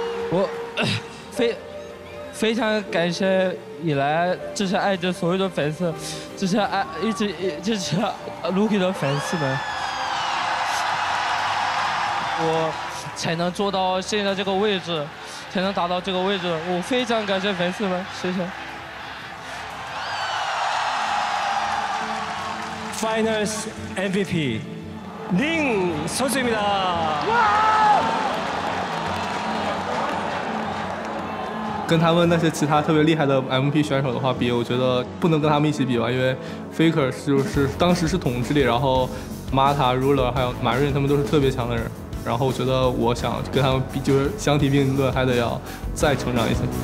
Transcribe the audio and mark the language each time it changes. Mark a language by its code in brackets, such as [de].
[zh] 我非常感谢以来支持爱的所有的粉丝，支持爱一直支持 Lucky 的粉丝们，我才能坐到现在这个位置，才能达到这个位置。我非常感谢粉丝们，谢谢。 [ko] Finals MVP， 닝선수입니다。 [zh] 跟他们那些其他特别厉害的 MP 选手的话比，我觉得不能跟他们一起比吧，因为 Faker 就是当时是统治力，然后 Mata、Ruler 还有 Marin 他们都是特别强的人，然后我觉得我想跟他们比，就是相提并论，还得要再成长一些。